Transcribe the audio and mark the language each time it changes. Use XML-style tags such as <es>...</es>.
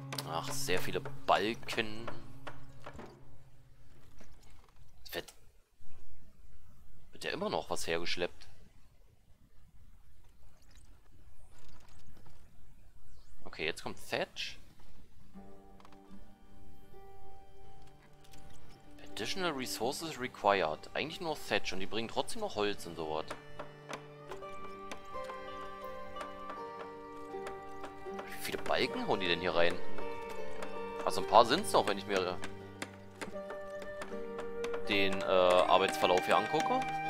<de>Ach, sehr viele Balken. Wird ja immer noch was hergeschleppt. Okay, jetzt kommt Thatch.</de> <en>Additional resources required.</en> <de>Eigentlich nur Thatch und die bringen trotzdem noch Holz und so was. Wie viele Balken holen die denn hier rein? Also ein paar sind es noch, wenn ich mir den Arbeitsverlauf hier angucke.</de>